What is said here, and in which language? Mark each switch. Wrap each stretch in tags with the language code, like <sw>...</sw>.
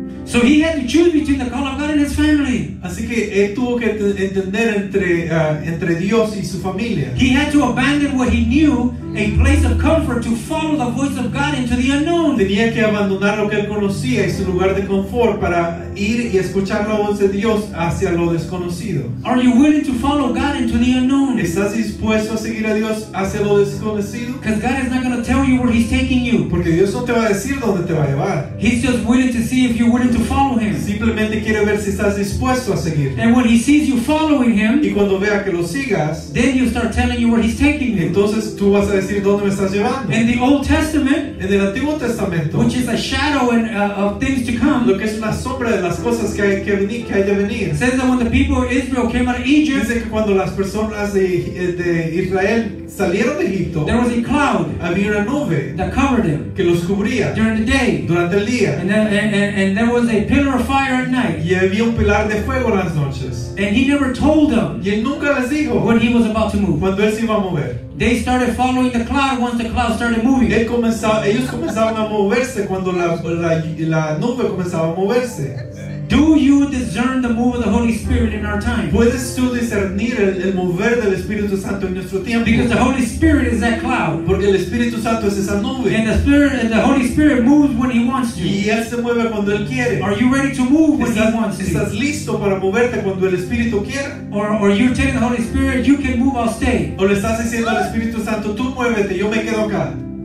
<en>So he had to choose between the call of God and his family.</en> <es>Así que él tuvo que entender entre Dios y su familia.</es> <en>He had to abandon what he knew, a place of comfort, to follow the voice of God into the unknown.</en> <es>Tenía que abandonar lo que él conocía y su lugar de confort para ir y escuchar la voz de Dios hacia lo desconocido.</es> <en>Are you willing to follow God into the unknown?</en> <es>¿Estás dispuesto a seguir a Dios hacia lo desconocido?</es> <en>Because God is not going to tell you where he's taking you.</en> <es>Porque Dios no te va a decir dónde te va a llevar.</es> <en>He's just willing to see if you're willing to follow him.</en> <es>Simplemente quiere ver si estás dispuesto a seguir.</es> <en>And when he sees you following him,</en> <es>y cuando vea que lo sigas,</es> <en>then you start telling you where he's taking you.</en> <es>Entonces tú vas a decir dónde me estás llevando.</es> <en>In the Old Testament,</en> <es>en el Antiguo Testamento,</es> <en>which is a shadow and, of things to come,</en> <es>lo que es una sombra de las cosas que hay que venir, que hay de venir.</es> <en>Says that when the people of Israel came out of Egypt,</en> <es>dice que cuando las personas de Israel salieron de Egipto,</es> <en>there was a cloud,</en> <es>había una nube</es> <en>that covered them,</en> <es>que los cubría</es> <en>during the day,</en> <es>durante el día,</es> <en>and there was a pillar of fire at night,</en> <es>y había un pilar de fuego las noches,</es> <en>and he never told them,</en> <es>y él nunca les dijo,</es> <en>when he was about to move,</en> <es>cuando él se iba a mover.</es> <en>They started following the cloud once the cloud started moving.</en> <es>Ellos comenzaron a moverse cuando la nube comenzaba a moverse.</es> <en>Do you discern the move of the Holy Spirit in our time?</en> <es>¿Puedes tú discernir el mover del Espíritu Santo en nuestro tiempo?</es> <en>Because the Holy Spirit is that cloud.</en> <es>Porque el Espíritu Santo es esa nube.</es> <en>And the Holy Spirit moves when he wants to.</en> <es>Y él se mueve cuando él quiere.</es> <en>Are you ready to move when he wants to?</en> <es>¿Estás listo para moverte cuando el Espíritu quiera?</es> <en>Or you're telling the Holy Spirit, you can move, I'll stay.</en> <es>¿O le estás diciendo al Espíritu Santo, tú muévete, yo me quedo acá?</es>